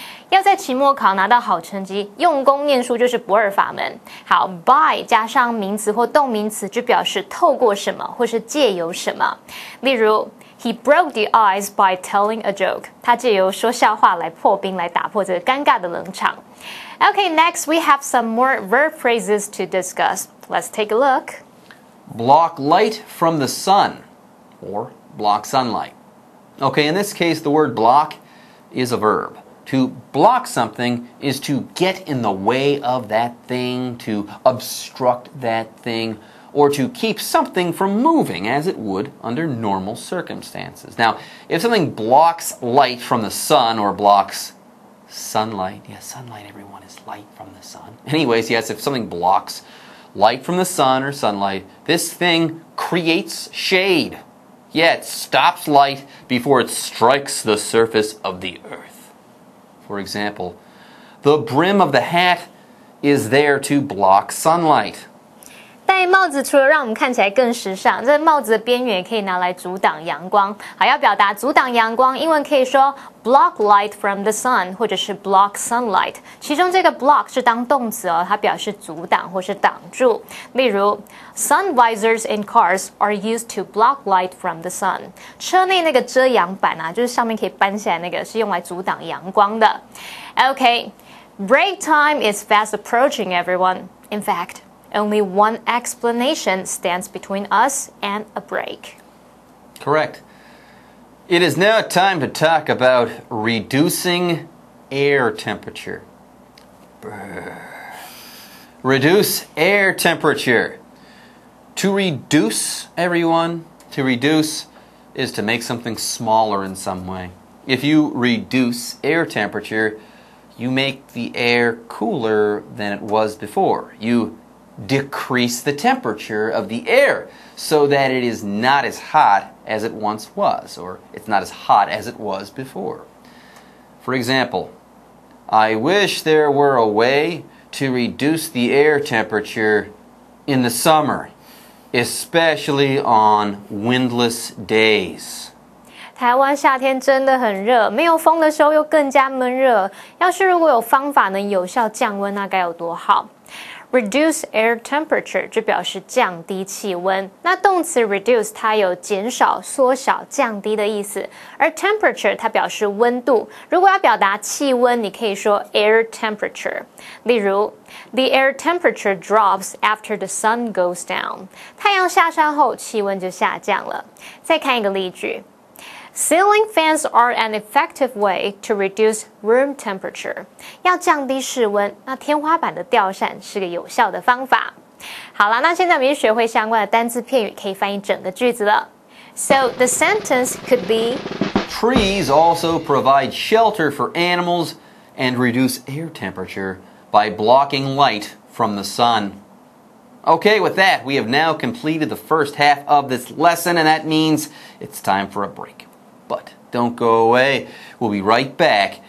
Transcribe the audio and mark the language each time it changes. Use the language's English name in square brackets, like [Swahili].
[Chinese] 要在期末考拿到好成绩，用功念书就是不二法门。好 ，by 加上名词或动名词就表示透过什么或是借由什么。例如 [English] ，He broke the ice by telling a joke. [Chinese] 他借由说笑话来破冰，来打破这个尴尬的冷场。 [English] Okay, next we have some more verb phrases to discuss. Let's take a look. Block light from the sun, or block sunlight. Okay, in this case, the word block is a verb. To block something is to get in the way of that thing, to obstruct that thing, or to keep something from moving as it would under normal circumstances. Now, if something blocks light from the sun or blocks sunlight, yes, sunlight, everyone, is light from the sun. Anyways, yes, if something blocks light from the sun or sunlight, this thing creates shade. Yeah, it stops light before it strikes the surface of the earth. For example, the brim of the hat is there to block sunlight. [Chinese] 戴帽子除了让我们看起来更时尚，这帽子的边缘也可以拿来阻挡阳光。好，要表达阻挡阳光，英文可以说 [English] block light from the sun [Chinese] 或者是 [English] block sunlight. [Chinese] 其中这个 block 是当动词哦，它表示阻挡或是挡住。例如 [English] ，sun visors in cars are used to block light from the sun. [Chinese] 车内那个遮阳板啊，就是上面可以搬下来那个，是用来阻挡阳光的。 [English] Okay, break time is fast approaching, everyone. In fact. Only one explanation stands between us and a break. Correct. It is now time to talk about reducing air temperature. Brr. Reduce air temperature. To reduce, everyone, to reduce is to make something smaller in some way. If you reduce air temperature, you make the air cooler than it was before. You... decrease the temperature of the air so that it is not as hot as it once was, or it's not as hot as it was before. For example, I wish there were a way to reduce the air temperature in the summer, especially on windless days. [Chinese] 台湾夏天真的很热，没有风的时候又更加闷热。要是如果有方法能有效降温，那该有多好。 [English] Reduce air temperature [Chinese] 就表示降低气温。那动词 reduce 它有减少、缩小、降低的意思，而 temperature 它表示温度。如果要表达气温，你可以说 air temperature。例如 [English] ，The air temperature drops after the sun goes down。 [Chinese] 太阳下山后，气温就下降了。再看一个例句。 [English] Ceiling fans are an effective way to reduce room temperature. [Chinese] 要降低室温，那天花板的吊扇是个有效的方法。好了，那现在我们学会相关的单字片语，可以翻译整个句子了。 [English] So the sentence could be: Trees also provide shelter for animals and reduce air temperature by blocking light from the sun. Okay, with that, we have now completed the first half of this lesson, and that means it's time for a break.But don't go away. We'll be right back